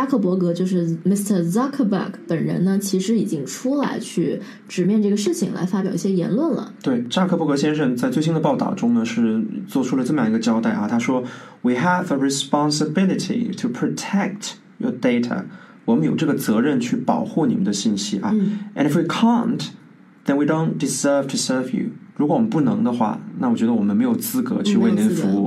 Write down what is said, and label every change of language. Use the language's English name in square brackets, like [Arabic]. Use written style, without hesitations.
[Chinese] 扎克伯格，就是 Mr. Zuckerberg 本人呢，其实已经出来去直面这个事情，来发表一些言论了。对，扎克伯格先生在最新的报道中呢，是做出了这么样一个交代啊，他说 [English] We have a responsibility to protect your data， [Chinese] 我们有这个责任去保护你们的信息啊。 [English] And if we can't, then we don't deserve to serve you。 [Chinese] 如果我们不能的话，那我觉得我们没有资格去为您服务。